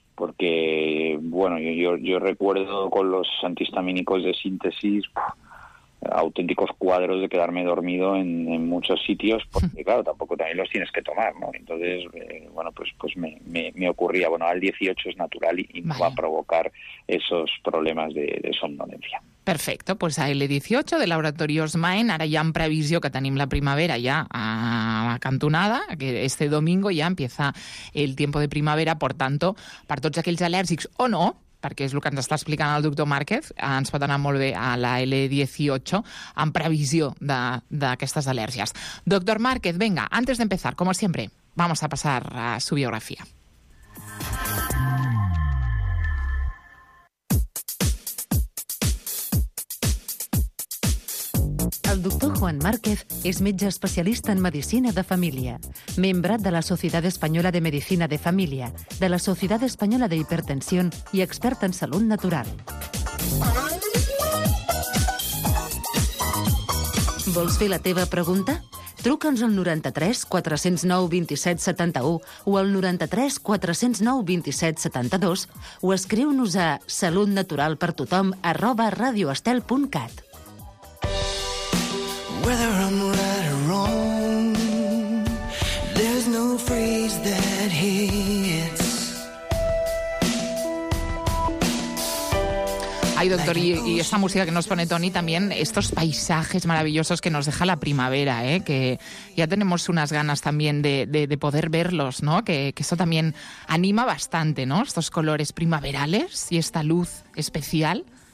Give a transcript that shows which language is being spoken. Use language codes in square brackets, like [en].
[es] Porque, bueno, yo recuerdo con los antihistamínicos de síntesis auténticos cuadros de quedarme dormido en muchos sitios, porque, claro, tampoco también los tienes que tomar, ¿no? Entonces, me ocurría, bueno, al 18 es natural y no va a provocar esos problemas de somnolencia. Perfecto, pues a L18 de Laboratorios Maen, [ca] ara ja en previsió que tenim la primavera ja a la cantonada, [es] que este domingo ja empieza el tiempo de primavera, por tanto, [ca] per tots aquells al·lèrgics o no, perquè és el que ens està explicant el doctor Márquez, ens pot anar molt bé a la L18 en previsió d'aquestes al·lèrgies. [es] Doctor Márquez, venga, antes de empezar, como siempre, vamos a pasar a su biografía. El doctor Juan Márquez es [ca] metge especialista en medicina de família, membre [es] de la Sociedad Española de Medicina de Família, de la Sociedad Española de Hipertensión y experta en salud natural. [ca] ¿Vols fer la teva pregunta? Truca'ns al 93 409 27 71 o al 93 409 27 72 o escriu-nos a saludnatural.tothom@radioestel.cat. [en] Whether I'm right or wrong, there's no phrase that hits. [es] Ay, doctor, y esta música que nos pone Tony también, estos paisajes maravillosos que nos deja la primavera, que ya tenemos unas ganas también de poder verlos, ¿no? Que eso también anima bastante, ¿no? Estos colores primaverales y esta luz especial.